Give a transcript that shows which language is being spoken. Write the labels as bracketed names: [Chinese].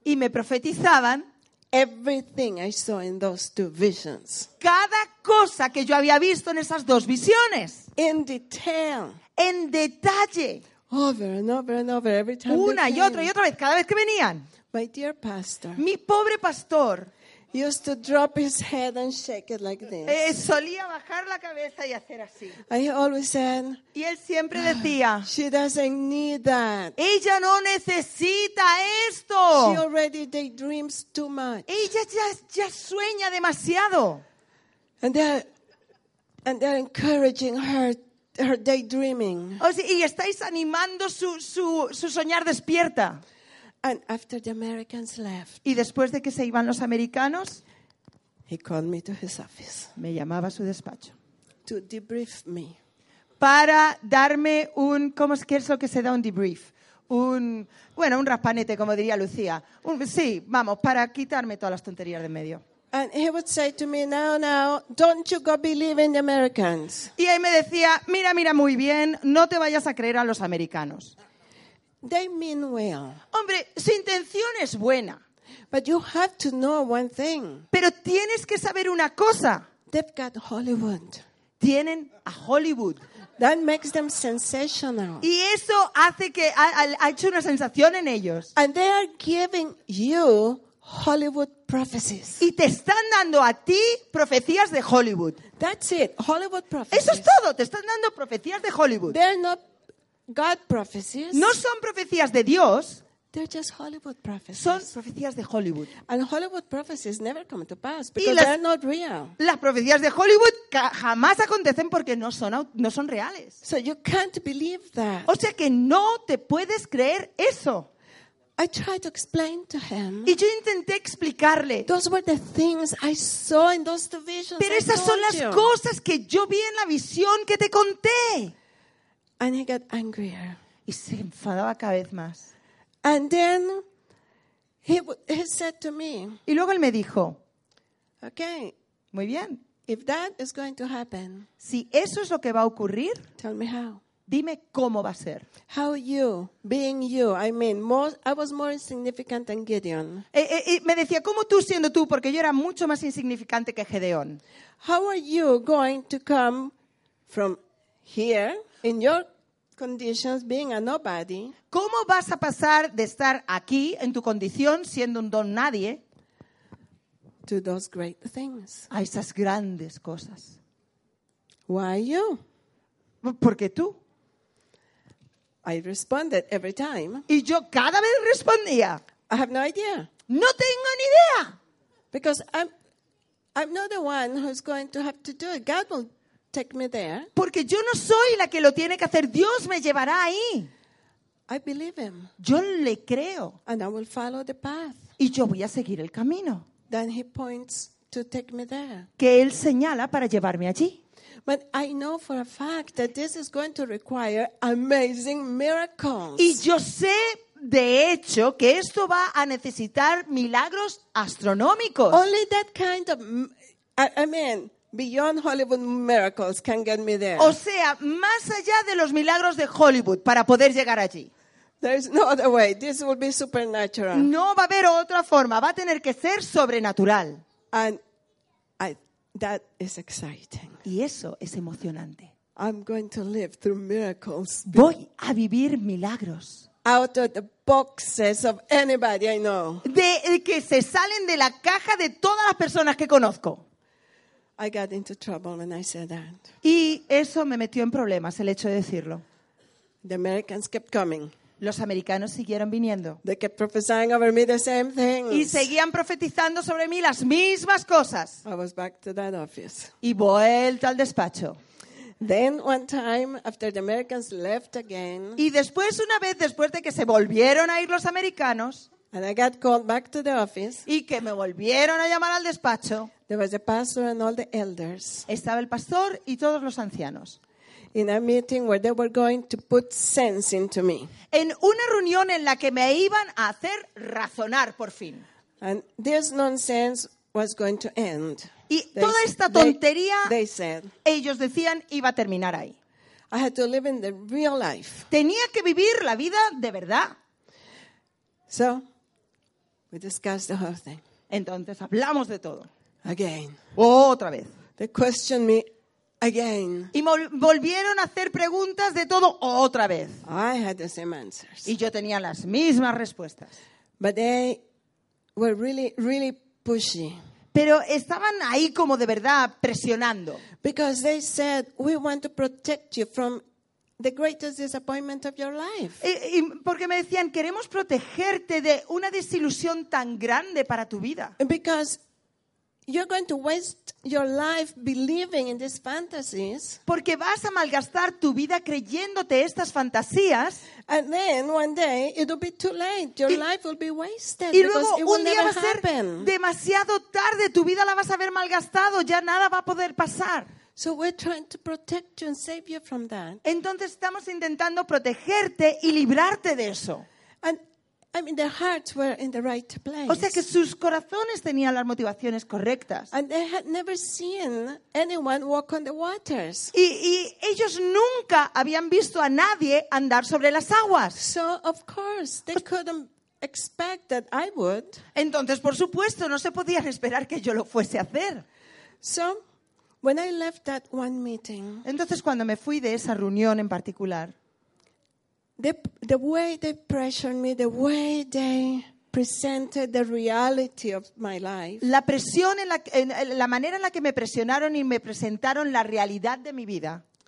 [Spanish] Y me profetizaban [English] everything I saw in those 2 visions. [Spanish] Cada cosa que yo había visto en esas 2 visiones. [English] In detail. [Spanish] En detalle. [English] Over and over and over every time. [Spanish] Una y otra y otra vez cada vez que venían. [English] My dear pastor. [Spanish] Mi pobre pastor. [English] Used to drop his head and shake it like this. [Spanish] Solía bajar la cabeza y hacer así. [English] And he always said, [Spanish] y él siempre decía, [English] she doesn't need that. [Spanish] Ella no necesita esto. [English] She already daydreams too much. [Spanish] Ella ya sueña demasiado. [English] And they're encouraging her daydreaming. [Spanish] O sea, y estáis animando su soñar despierta. [English] And after the Americans left, [Spanish] y después de que se iban los americanos, [English] he called me to his office. [Spanish] Me llamaba a su despacho. [English] To debrief me. [Spanish] Para darme un, ¿cómo es que es lo que se da un debrief? Un raspanete, como diría Lucía. Para quitarme todas las tonterías de medio. [English] And he would say to me, now, don't you go believing the Americans. [Spanish] Y él me decía, mira, muy bien, no te vayas a creer a los americanos. [English] They mean well. [Spanish] Hombre, su intención es buena. [English] But you have to know one thing. [Spanish] Pero tienes que saber una cosa. [English] They've got Hollywood. [Spanish] Tienen a Hollywood. [English] That makes them sensational. [Spanish] Y eso hace que ha hecho una sensación en ellos. [English] And they are giving you Hollywood prophecies. [Spanish] Y te están dando a ti profecías de Hollywood. [English] That's it. Hollywood prophecies. [Spanish] Eso es todo. Te están dando profecías de Hollywood. [English] They're not God prophecies. [Spanish] No son profecías de Dios. [English] They're just Hollywood prophecies. [Spanish] Son profecías de Hollywood. [English] And Hollywood prophecies never come to pass because they're not real. [Spanish] Las profecías de Hollywood jamás acontecen porque no son reales. [English] So you can't believe that. [Spanish] O sea que no te puedes creer eso. [English] I tried to explain to him. [Spanish] Y yo intenté explicarle. [English] Those were the things I saw in those two visions. [Spanish] Pero esas son las cosas que yo vi en la visión que te conté. [English] And he got angrier. [Spanish] Y se enfadaba cada vez más. [English] And then he said to me. [Spanish] Y luego él me dijo. [English] Okay. [Spanish] Muy bien. [English] If that is going to happen. [Spanish] Si eso es lo que va a ocurrir. [English] Tell me how. [Spanish] Dime cómo va a ser. [English] How you being you? I mean, I was more insignificant than Gideon. [Spanish] Me decía cómo tú siendo tú, porque yo era mucho más insignificante que Gedeón. [English] How are you going to come from here in your conditions being a nobody? [Spanish] ¿Cómo vas a pasar de estar aquí en tu condición siendo un don nadie [English] to those great things? [Spanish] A esas grandes cosas. [English] Why you? [Spanish] ¿Por qué tú? [English] I responded every time. [Spanish] Y yo cada vez respondía. [English] I have no idea. [Spanish] No tengo ni idea. [English] Because I'm not the one who's going to have to do it. God will take me there. [Spanish] Porque yo no soy la que lo tiene que hacer. Dios me llevará ahí. [English] I believe him. [Spanish] Yo le creo. [English] And I will follow the path. [Spanish] Y yo voy a seguir el camino. [English] Then he points to take me there. [Spanish] Que él señala para llevarme allí. [English] But I know for a fact that this is going to require amazing miracles. [Spanish] Y yo sé de hecho que esto va a necesitar milagros astronómicos. [English] Only that kind of beyond Hollywood miracles can get me there. [Spanish] O sea, más allá de los milagros de Hollywood para poder llegar allí. [English] There is no other way. This will be supernatural. [Spanish] No va a haber otra forma, va a tener que ser sobrenatural. [English] And that is exciting. [Spanish] Y eso es emocionante. [English] I'm going to live through miracles. [Spanish] Voy a vivir milagros. [English] Out of the boxes of anybody I know. [Spanish] De que se salen de la caja de todas las personas que conozco. [English] I got into trouble when I said that. [Spanish] Y eso me metió en problemas, el hecho de decirlo. [English] The Americans kept coming. [Spanish] Los americanos siguieron viniendo. [English] They kept prophesying over me the same things. [Spanish] Y seguían profetizando sobre mí las mismas cosas. [English] I was back to that office. [Spanish] Y vuelta al despacho. [English] Then one time after the Americans left again. [Spanish] Y después una vez después de que se volvieron a ir los americanos. [English] And I got called back to the office. [Spanish] Y que me volvieron a llamar al despacho. [English] There was the pastor and all the elders. [Spanish] Estaba el pastor y todos los ancianos. [English] In a meeting where they were going to put sense into me. [Spanish] En una reunión en la que me iban a hacer razonar por fin. [English] And this nonsense was going to end. [Spanish] Y they, toda esta tontería, [English] they said, [Spanish] ellos decían, iba a terminar ahí. [English] I had to live in the real life. [Spanish] Tenía que vivir la vida de verdad. [English] So, we discussed the whole thing. [Spanish] Entonces hablamos de todo. [English] Again. [Spanish] Otra vez. [English] They questioned me. Again. [Spanish] Y volvieron a hacer preguntas de todo otra vez. [English] I had the same answers. [Spanish] Y yo tenía las mismas respuestas. [English] But they were really, really pushy. [Spanish] Pero estaban ahí como de verdad presionando. [English] Because they said, we want to protect you from the greatest disappointment of your life. [Spanish] Y porque me decían, queremos protegerte de una desilusión tan grande para tu vida. [English] Because you're going to waste your life believing in these fantasies. [Spanish] Porque vas a malgastar tu vida creyéndote estas fantasías. [English] And then one day it'll be too late. Your life will be wasted. [Spanish] Y luego un día va a ser demasiado tarde. Tu vida la vas a haber malgastado. Ya nada va a poder pasar. [English] So we're trying to protect you and save you from that. [Spanish] Entonces estamos intentando protegerte y librarte de eso. [English] And I mean, their hearts were in the right place. [Spanish] O sea que sus corazones tenían las motivaciones correctas. [English] And they had never seen anyone walk on the waters. [Spanish] Y ellos nunca habían visto a nadie andar sobre las aguas. [English] So of course they couldn't expect that I would. [Spanish] Entonces, por supuesto, no se podían esperar que yo lo fuese a hacer. [English] So when I left that one meeting. [Spanish] Entonces, cuando me fui de esa reunión en particular. [English] The way they pressured me, the way they presented the reality of my life. [Spanish] La presión en la manera en la que me presionaron y me presentaron la realidad de mi vida.